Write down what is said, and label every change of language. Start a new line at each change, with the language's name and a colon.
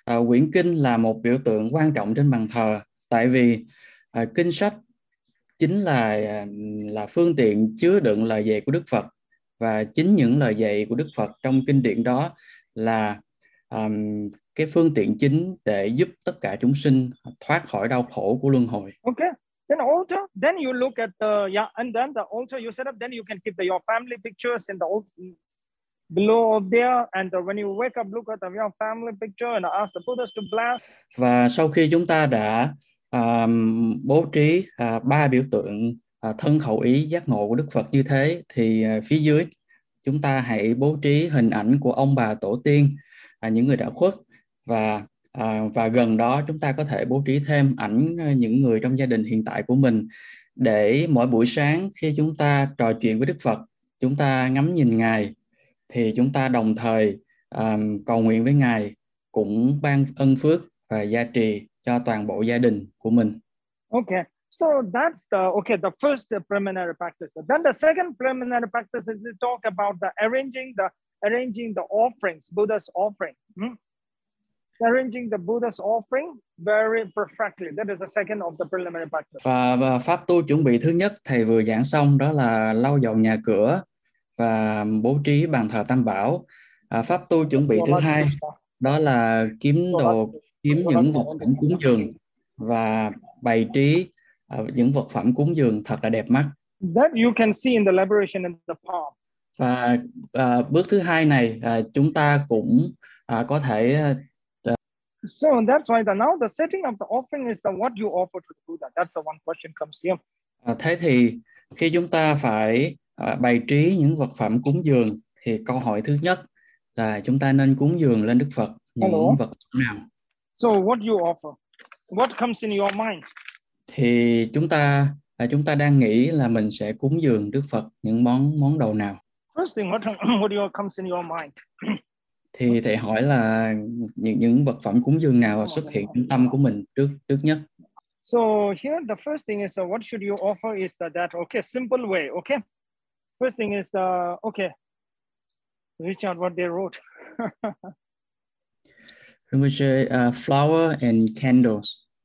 Vietnamese: Quyển kinh là một biểu tượng quan trọng trên bàn thờ, tại vì kinh sách chính là phương tiện chứa đựng lời dạy của Đức Phật, và chính những lời dạy của Đức Phật trong kinh điển đó là cái phương tiện chính để giúp tất cả chúng sinh thoát khỏi đau khổ của luân hồi.
English: Okay, then altar, then you look at the and then the altar you set up, then you can keep the, your family pictures in the below of there, and the, when you wake up look at the, your family picture and ask the Buddha to bless.
Vietnamese: Và sau khi chúng ta đã bố trí ba biểu tượng thân khẩu ý giác ngộ của Đức Phật như thế, thì phía dưới chúng ta hãy bố trí hình ảnh của ông bà tổ tiên, những người đã khuất, và gần đó chúng ta có thể bố trí thêm ảnh những người trong gia đình hiện tại của mình, để mỗi buổi sáng khi chúng ta trò chuyện với Đức Phật, chúng ta ngắm nhìn Ngài, thì chúng ta đồng thời cầu nguyện với Ngài cũng ban ân phước và gia trì cho toàn bộ gia đình của mình.
English: Okay, So that's the okay, the first preliminary practice. Then the second preliminary practice is to talk about the arranging the offerings, Buddha's offering. Hmm? Arranging the Buddha's offering very perfectly. That is the second of the preliminary practice.
Vietnamese: Và pháp tu chuẩn bị thứ nhất thầy vừa giảng xong đó là lau dọn nhà cửa và bố trí bàn thờ tam bảo. Pháp tu chuẩn bị thứ hai đó là kiếm đồ, kiếm những vật phẩm cúng dường và bày trí những vật phẩm cúng dường thật là đẹp mắt.
English: That you can see in the liberation in the palm.
Vietnamese: Và bước thứ hai này chúng ta cũng có thể.
English: So that's why now the setting of the offering is the what you offer to the Buddha. That's the one question comes here.
Vietnamese: Thế thì khi chúng ta phải bày trí những vật phẩm cúng dường thì câu hỏi thứ nhất là chúng ta nên cúng dường lên Đức Phật những
English: Hello.
Vietnamese: Vật phẩm nào?
English: So what you offer? What comes in your mind?
Vietnamese: Thì chúng ta đang nghĩ là mình sẽ cúng dường Đức Phật những món đồ nào?
English: First thing, what do you comes in your mind?
Vietnamese: Thì thầy hỏi là những vật phẩm cúng dường nào xuất hiện trong tâm của mình trước nhất.
English: So here the first thing is what should you offer is that okay, simple way, okay? First thing is okay. Richard, what they wrote. Rinpoche, flower and candles.